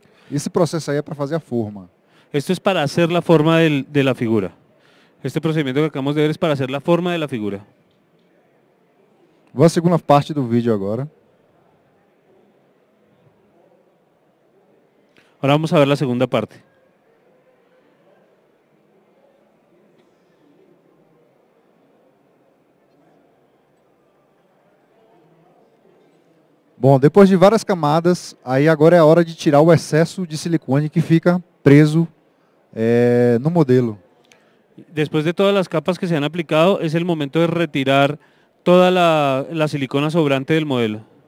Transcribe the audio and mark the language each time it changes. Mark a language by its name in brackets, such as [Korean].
[Portuguese] Esse processo aí é para fazer a forma. [Spanish] Esto es para hacer la forma de la figura. Este procedimiento que acabamos de ver es para hacer la forma de la figura. [Portuguese] Vou a segunda parte do vídeo agora. [Spanish] Ahora vamos a ver la segunda parte. [Portuguese] Bom, depois de várias camadas, aí agora é a hora de tirar o excesso de silicone que fica preso no modelo. [Spanish] Después de todas las capas que se han aplicado, es el momento de retirar toda la silicona sobrante del modelo.